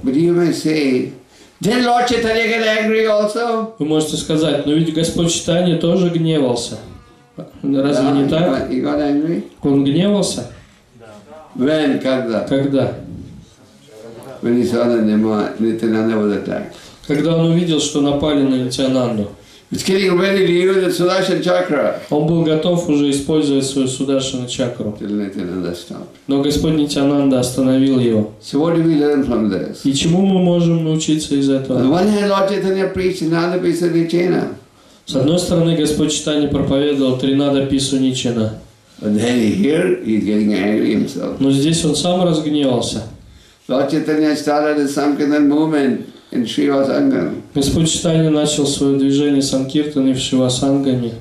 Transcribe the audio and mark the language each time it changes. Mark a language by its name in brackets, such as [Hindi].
[Russian] Вы можете сказать, но ведь Господь Читания тоже гневался. Разве не так? Он гневался? [English] When, когда? [Russian] Когда? [English] When he saw that Nityananda was attacked. [Russian] Когда он увидел, что напали на Нитянанду. [English] He's getting ready to use the Sudarshan chakra. [Russian] Он был готов уже использовать свою Sudarshan chakra. [English] Till Nityananda stopped. [Russian] Но Господь Нитянанда остановил его. [English] So what do we learn from this? [Russian] И чему мы можем научиться из этого? [English] On one hand, Lord Chaitanya preached Trinada Pisa Nichena. [Russian] С одной стороны, Господь Читания проповедовал Тринада Пису Ничена. [English] But then here he's getting angry himself. [Russian] Но здесь он сам разгневался. [English] Lord Chaitanya started the Sankirtan movement in Shivasangam. [Russian] Господь Читания начал свое движение Санкиртан и в Шивасангаме.